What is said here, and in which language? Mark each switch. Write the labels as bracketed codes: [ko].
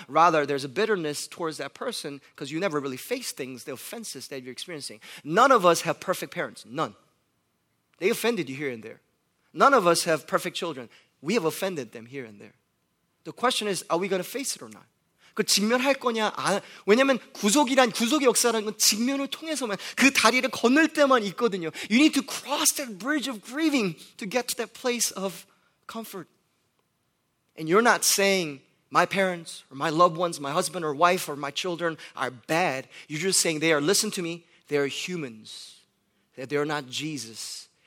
[en] Rather, there's a bitterness towards that person because you never really face things, the offenses that you're experiencing. None of us have perfect parents. None. They offended you here and there. None of us have perfect children. We have offended them here and there. The question is, are we going to face it or not? [ko] 그 직면할 거냐? 아, 왜냐면 구속이란 구속의 역사라는 건 직면을 통해서만 그 다리를 건널 때만 있거든요. [en] You need to cross that bridge of grieving to get to that place of comfort. And you're not saying my parents or my loved ones, my husband or wife or my children are bad. You're just saying they are, listen to me, they are humans. That they are not Jesus.